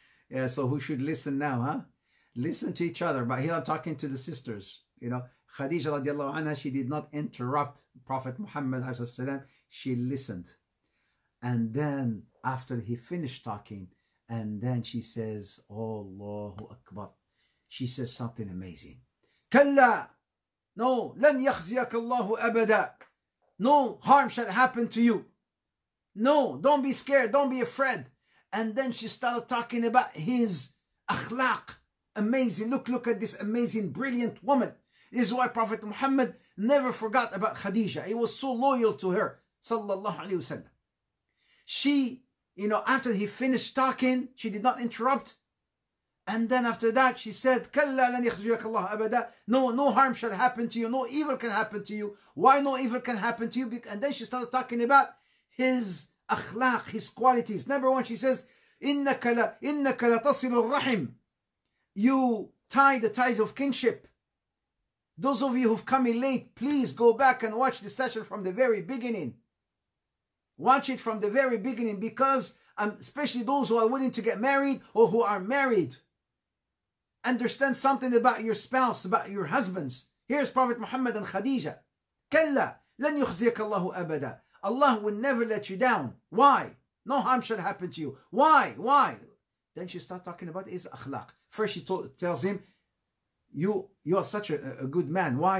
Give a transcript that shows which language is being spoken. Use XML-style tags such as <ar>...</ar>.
<en>Yeah, so who should listen now, huh? Listen to each other. But here I'm talking to the sisters. You know, Khadija radiallahu anha, she did not interrupt Prophet Muhammad ﷺ. She listened. And then after he finished talking, and then she says, Allahu Akbar. She says something amazing.</en> <ar>Kalla! No, لن يخزيك الله أبدا.</ar> <en>No harm shall happen to you. No, don't be scared. Don't be afraid. And then she started talking about his akhlaq. Amazing. Look at this amazing, brilliant woman. This is why Prophet Muhammad never forgot about Khadija. He was so loyal to her. Sallallahu alayhi wa sallam. She, you know, after he finished talking, she did not interrupt. And then after that, she said,</en> <ar>كَلَّا لَنْ يَخْزُيَكَ اللَّهُ أَبَدًا.</ar> <en>No harm shall happen to you. No evil can happen to you. Why no evil can happen to you? And then she started talking about his akhlaq, his qualities. Number one, she says,</en> <ar>إِنَّكَ لَتَصِلُ الرَّحِمِ.</ar> <en>You tie the ties of kinship. Those of you who've come in late, please go back and watch the session from the very beginning. Watch it from the very beginning, because especially those who are willing to get married or who are married, understand something about your spouse, about your husbands. Here's Prophet Muhammad and Khadija.</en> <ar>Kalla, لن يخزيك الله أبدا.</ar> <en>Allah will never let you down. Why? No harm shall happen to you. Why? Then she starts talking about his akhlaq. First, she tells him, "You are such a good man. Why?</en>